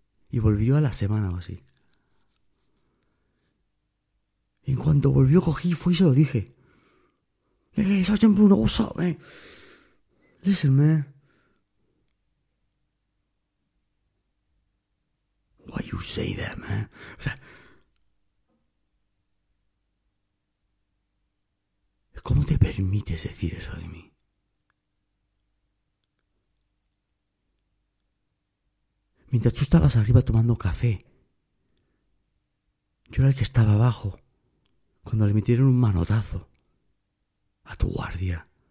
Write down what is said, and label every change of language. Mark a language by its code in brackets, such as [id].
[es] Y volvió a la semana o así. Y en cuanto volvió, cogí y fue y se lo dije. [en] Hey, Sergeant Bruno, what's up, man? Listen, man. Why you say that, man? [es] O sea, permites decir eso de mí? Mientras tú estabas arriba tomando café, yo era el que estaba abajo cuando le metieron un manotazo a tu guardia.